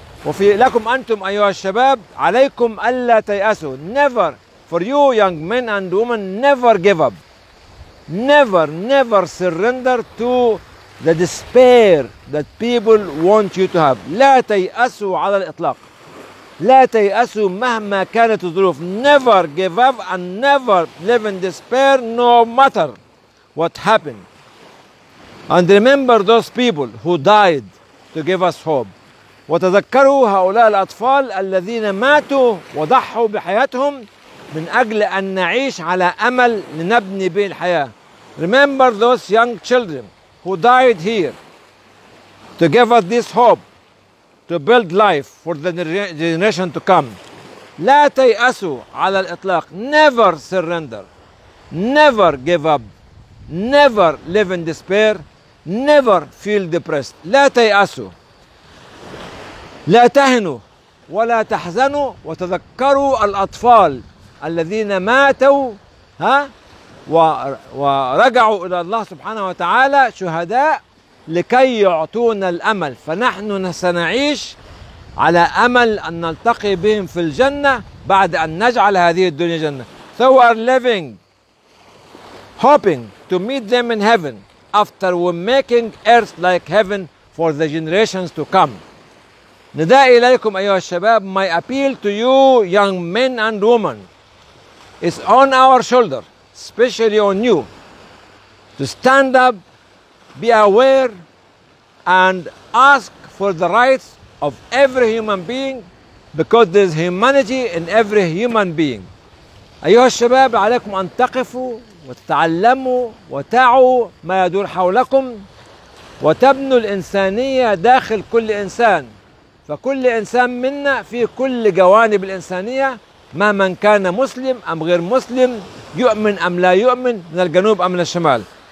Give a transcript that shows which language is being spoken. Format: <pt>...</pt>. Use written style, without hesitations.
<ar>وفي لكم أنتم أيها الشباب عليكم ألا تيأسوا.</ar> <en>Never for you young men and women, never give up, never surrender to the despair that people want you to have.</en> <ar>لا تيأسوا على الإطلاق. لا تيأسوا مهما كانت الظروف.</ar> <en>Never give up and never live in despair no matter what happened. And remember those people who died to give us hope.</en> <ar>وتذكروا هؤلاء الأطفال الذين ماتوا وضحوا بحياتهم من أجل أن نعيش على أمل لنبني به الحياة.</ar> <en>Remember those young children who died here to give us this hope to build life for the generation to come.</en> <ar>لا تيأسوا على الإطلاق.</ar> <en>Never surrender. Never give up. Never live in despair. Never feel depressed.</en> <ar>لا تيأسوا. لا تهنوا ولا تحزنوا وتذكروا الأطفال الذين ماتوا ها ورجعوا إلى الله سبحانه وتعالى شهداء لكي يعطونا الأمل. فنحن سنعيش على أمل أن نلتقي بهم في الجنة بعد أن نجعل هذه الدنيا جنة.</ar> <en>So we are living hoping to meet them in heaven after we making earth like heaven for the generations to come.</en> <ar>نداء إليكم أيها الشباب.</ar> <en>My appeal to you young men and women is on our shoulder, especially on you, to stand up, be aware, and ask for the rights of every human being, because there's humanity in every human being.</en> <ar>أيها الشباب عليكم أن تقفوا وتتعلموا وتعوا ما يدور حولكم وتبنوا الإنسانية داخل كل إنسان. فكل إنسان منا في كل جوانب الإنسانية مهما كان مسلم أم غير مسلم، يؤمن أم لا يؤمن، من الجنوب أم من الشمال.</ar>